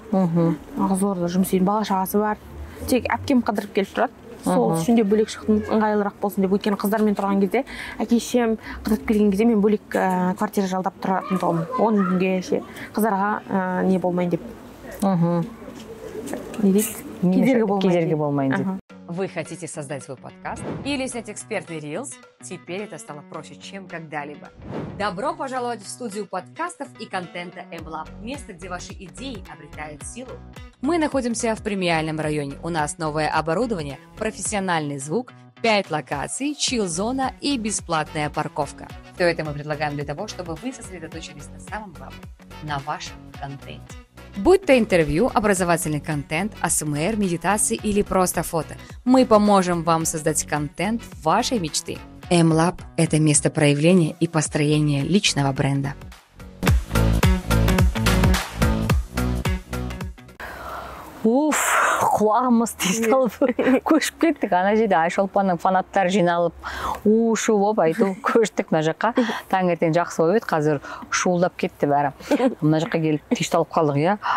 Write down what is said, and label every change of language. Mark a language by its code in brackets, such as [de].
[kk] Қызылорда жұмыс істейді, бала шағасы бар. Тек әпкем қыдырып келіп тұрады. Сол үшін де бөлек шықтым, ыңғайлырақ болсын деп. Өйткені қыздармен тұрған кезде, әке шешем қыдырып келген кезде мен бөлек квартира жалдап тұратын тұғым. 10 күнге ше қыздарға не болмайын деп. Кедергі болмайын деп. [ru] Вы хотите создать свой подкаст или снять экспертный рилс? Теперь это стало проще, чем когда-либо. Добро пожаловать в студию подкастов и контента MLab, место, где ваши идеи обретают силу. Мы находимся в премиальном районе. У нас новое оборудование, профессиональный звук, 5 локаций, чилл-зона и бесплатная парковка. Все это мы предлагаем для того, чтобы вы сосредоточились на самом главном – на вашем контенте. Будь то интервью, образовательный контент, АСМР, медитации или просто фото, мы поможем вам создать контент вашей мечты. MLab – это место проявления и построения личного бренда. [kk] Уф, құлағымыз тесталып, көшіп кеттік. Ана жерде Айшолпанның фанаттар жиналып, ұшу болып, айту көштік мына жаққа. Таңертең жақсы болып еді, қазір шуылдап кетті бәрі. Мына жаққа келіп тесталып қалдық, иә.